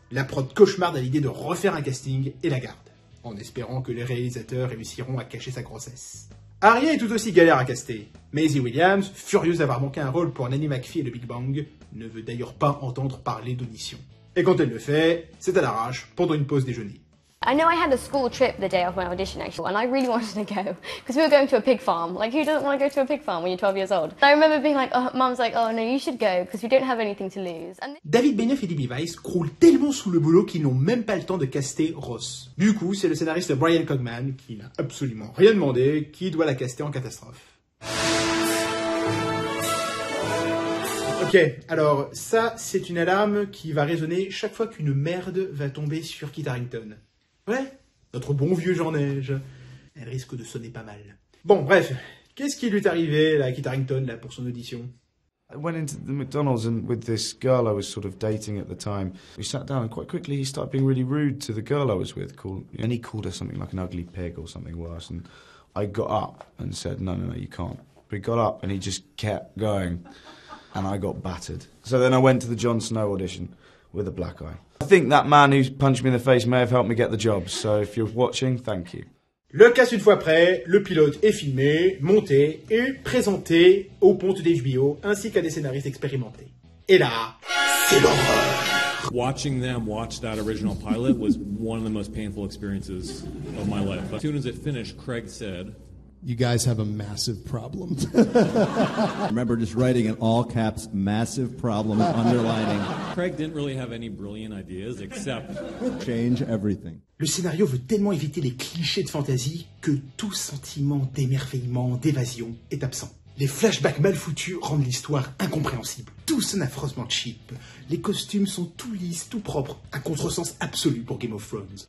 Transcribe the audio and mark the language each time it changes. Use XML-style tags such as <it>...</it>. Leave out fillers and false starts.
<fr>La prod cauchemarde à l'idée de refaire un casting et la garde, en espérant que les réalisateurs réussiront à cacher sa grossesse. Arya est tout aussi galère à caster. Maisie Williams, furieuse d'avoir manqué un rôle pour Nanny McPhee et le Big Bang, ne veut d'ailleurs pas entendre parler d'audition. Et quand elle le fait, c'est à l'arrache pendant une pause déjeuner.</fr> <en>I know I had a school trip the day of my audition, actually, and I really wanted to go because we were going to a pig farm. Like, who doesn't want to go to a pig farm when you're 12 years old? And I remember being like, oh, mom's like, oh no, you should go because we don't have anything to lose.</en> <fr>And David Benioff et D.B. Weiss croulent tellement sous le boulot qu'ils n'ont même pas le temps de caster Ross. Du coup, c'est le scénariste Brian Cogman, qui n'a absolument rien demandé, qui doit la caster en catastrophe. Ok, alors ça, c'est une alarme qui va résonner chaque fois qu'une merde va tomber sur Kit Harington. Ouais, notre bon vieux Jean-Neige. Elle risque de sonner pas mal. Bon, bref, qu'est-ce qui lui est arrivé, là, à Kit Harington, là, pour son audition ?</fr> <en>I went into the McDonald's and with this girl I was sort of dating at the time. We sat down and quite quickly he started being really rude to the girl I was with. And he called her something like an ugly pig or something worse. And I got up and said, no, no, no, you can't. But he got up and he just kept going. And I got battered. So then I went to the Jon Snow audition with a black eye. I think that man who punched me in the face may have helped me get the job. So if you're watching, thank you.</en> <fr>Le casse une fois prêt, le pilote est filmé, monté et présenté au pont des HBO ainsi qu'à des scénaristes expérimentés. Et là, c'est l'horreur.</fr> <en>Watching them watch that original pilot was one of the most painful experiences of my life. As soon as it finished, Craig said, you guys have a massive problem. I remember just writing in all caps, massive problem, underlining. Craig didn't really have any brilliant ideas except change everything.</en> <fr>Le scénario veut tellement éviter les clichés de fantasy que tout sentiment d'émerveillement, d'évasion est absent. Les flashbacks mal foutus rendent l'histoire incompréhensible. Tout sonne affreusement cheap. Les costumes sont tout lisses, tout propres, un contresens absolu pour Game of Thrones.</fr>